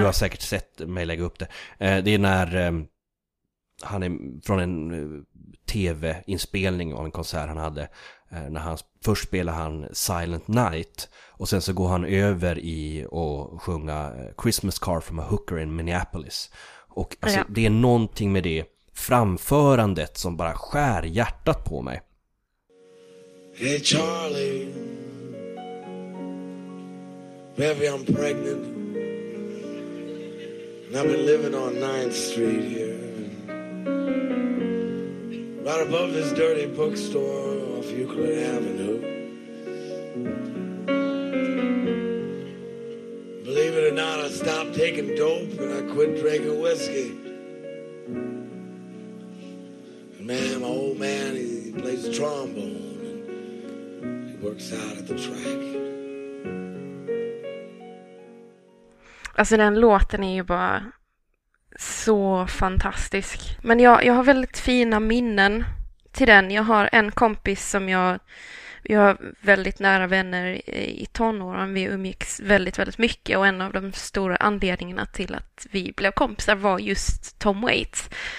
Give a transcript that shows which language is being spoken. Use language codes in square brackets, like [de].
[sv] Du har säkert sett mig lägga upp det. Det är när han är från en tv-inspelning av en konsert han hade. När han först spelar han Silent Night, och sen så går han över i och sjunga Christmas Car from a Hooker in Minneapolis. Och alltså, det är någonting med det framförandet som bara skär hjärtat på mig. [en] Hey Charlie, baby I'm pregnant, and I've been living on 9th Street here. right above this dirty bookstore off Euclid Avenue. Believe it or not, I stopped taking dope and I quit drinking whiskey. And man, my old man, he plays trombone and he works out at the track. [sv] Alltså den låten är ju bara så fantastisk. Men jag har väldigt fina minnen till den. Jag har en kompis som jag har väldigt nära vänner i tonåren. Vi umgicks väldigt, väldigt mycket. Och en av de stora anledningarna till att vi blev kompisar var just Tom Waits.